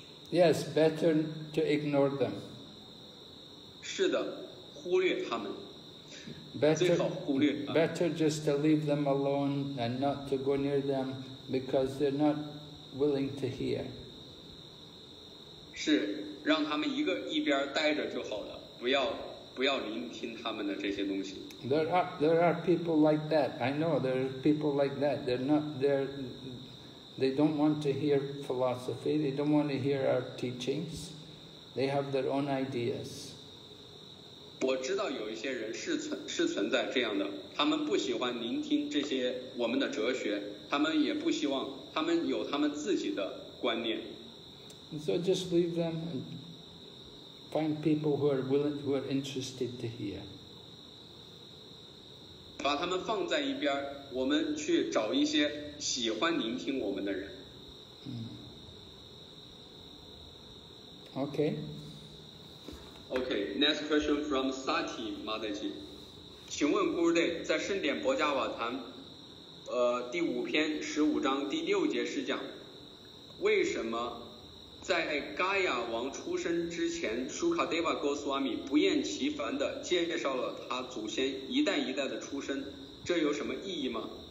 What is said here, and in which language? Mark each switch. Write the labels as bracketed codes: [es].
[en] Yes, better to ignore them. [zh] 是的，忽略他们。 [en] Better, [zh] 最好忽略他们。 [en] Better just to leave them alone and not to go near them because they're not willing to hear. [zh] 是，让他们一边待着就好了，不要聆听他们的这些东西。 [en] There are people like that. I know there are people like that. They don't want to hear philosophy. They don't want to hear our teachings. They have their own ideas. [zh] 我知道有一些人是存在这样的，他们不喜欢聆听这些我们的哲学，他们也不希望，他们有他们自己的观念。 [en] So just leave them and find people who are willing, who are interested to hear. [zh] 把他们放在一边，我们去找一些喜欢聆听我们的人。 [en] Okay. Okay. Next question from Sati Mataji. [zh] 请问 Gurudev， 在圣典博加瓦坛，第五篇十五章第六节是讲，为什么在 Gaya 王出生之前 ，Sukadeva Goswami 不厌其烦地介绍了他祖先一代一代的出生，这有什么意义吗？